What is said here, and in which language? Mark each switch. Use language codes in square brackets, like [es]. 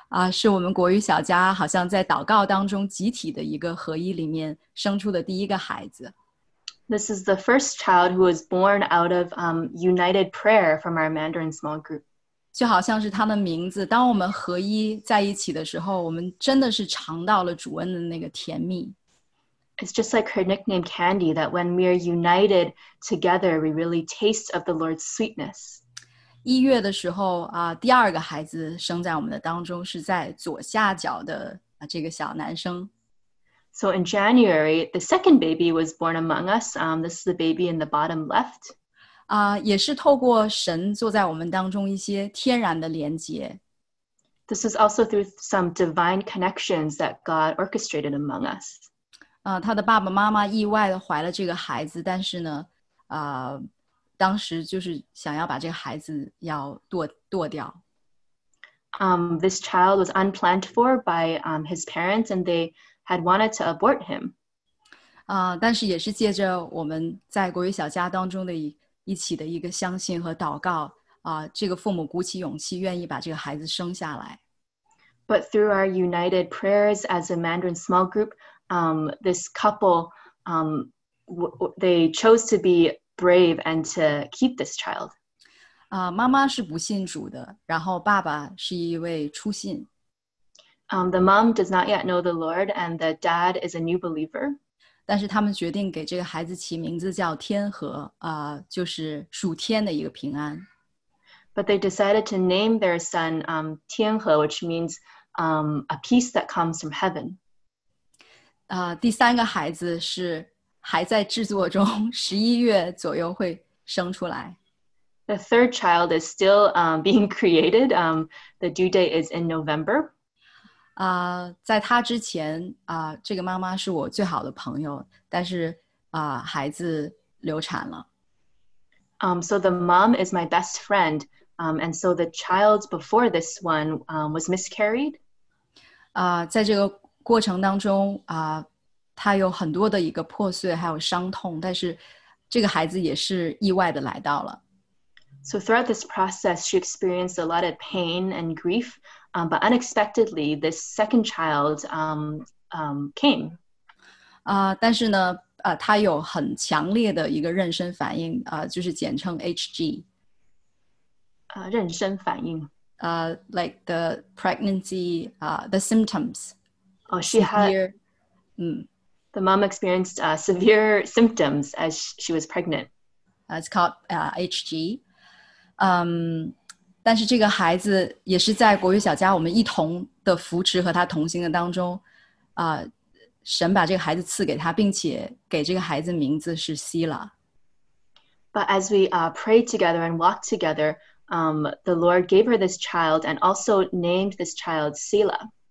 [zh] 是我们国语小家好像在祷告当中集体的一个合一里面生出的第一个孩子。 [en] This is the first child who was born out of united prayer from our Mandarin small group. [zh] 就好像是他的名字，当我们合一在一起的时候，我们真的是尝到了主恩的那个甜蜜。 [en] It's just like her nickname Candy, that when we are united together, we really taste of the Lord's sweetness. [zh] 一月的时候第二个孩子生在我们的当中是在左下角的这个小男生。 [en] So in January, the second baby was born among us. This is the baby in the bottom left. [zh] 也是透过神坐在我们当中一些天然的连接。 [en] This is also through some divine connections that God orchestrated among us. [zh] 他的爸爸妈妈意外地怀了这个孩子，但是呢，当时就是想要把这个孩子要堕掉。 [en] This child was unplanned for by his parents, and they had wanted to abort him. [zh] 但是也是借着我们在国语小家当中的一起的一个相信和祷告，这个父母鼓起勇气愿意把这个孩子生下来。 [en] But through our united prayers as a Mandarin small group, this couple, they chose to be. Brave and to keep this child. [zh] 妈妈是不信主的，然后爸爸是一位初信。 [en] The mom does not yet know the Lord, and the dad is a new believer. [zh] 但是他们决定给这个孩子起名字叫天和，就是属天的一个平安。 [en] But they decided to name their son, 天和, which means, a peace that comes from heaven. [zh] 第三个孩子是。还在制作中，十一月左右会生出来。 [en] The third child is still being created. The due date is in November. [zh] 在他之前，这个妈妈是我最好的朋友，但是孩子流产了。 [en] So the mom is my best friend. And so the child before this one was miscarried. [zh] 在这个过程当中他有很多的一个破碎还有伤痛，但是这个孩子也是意外的来到了。 [en] So throughout this process, she experienced a lot of pain and grief, but unexpectedly, this second child came. [zh] 但是呢，他有很强烈的一个妊娠反应，就是简称 HG。妊娠反应。 [en] Like the pregnancy, the symptoms. Oh, she had... The mom experienced severe symptoms as she was pregnant. It's called HG. [zh] 但是这个孩子也是在国语小家我们一同的扶持和他同行的当中，神把这个孩子赐给他，并且给这个孩子名字是希拉。 [en] But as we prayed together and walked together, the Lord gave her this child and also named this child Sila.